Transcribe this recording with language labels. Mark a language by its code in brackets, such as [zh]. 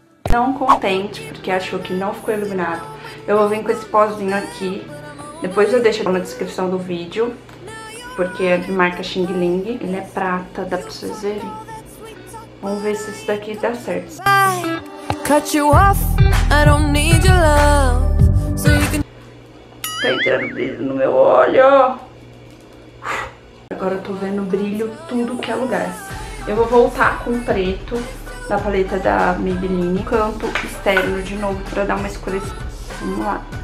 [pt] Não contente, porque achou que não ficou iluminado. Eu vou vir com esse pozinho aqui. Depois eu deixo na descrição do vídeo, porque é de marca Xing Ling. Ele é prata, dá pra vocês verem. Vamos ver se isso daqui dá certo. [en] Cut you off, I don't need your love, so you can... [pt] Tá entrando brilho no meu olho. Agora eu tô vendo brilho tudo que é lugar. Eu vou voltar com o preto da paleta da Maybelline. Canto externo de novo pra dar uma escurecida. Vamos lá.